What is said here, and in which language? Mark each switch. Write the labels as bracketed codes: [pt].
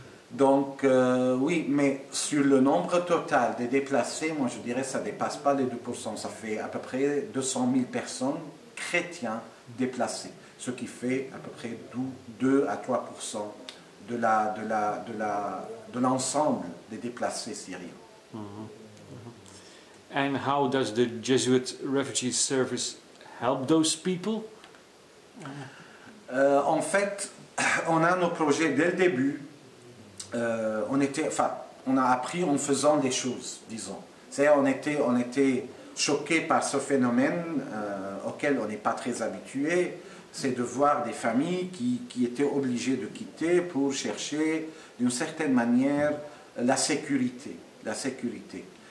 [fr] Donc, oui, mais sur le nombre total des déplacés, moi je dirais que ça ne dépasse pas les 2%. Ça fait à peu près 200 000 personnes chrétiens déplacées, ce qui fait à peu près 2 à 3% de l'ensemble des déplacés syriens. Mm-hmm. [en] And how does the Jesuit Refugee Service help those people? [fr] En fait, on a nos projets dès le début. On a appris en faisant des choses, disons. C'est-à-dire, on était choqués par ce phénomène auquel on n'est pas très habitué. C'est de voir des familles qui étaient obligées de quitter pour chercher, d'une certaine manière, la sécurité. La sécurité.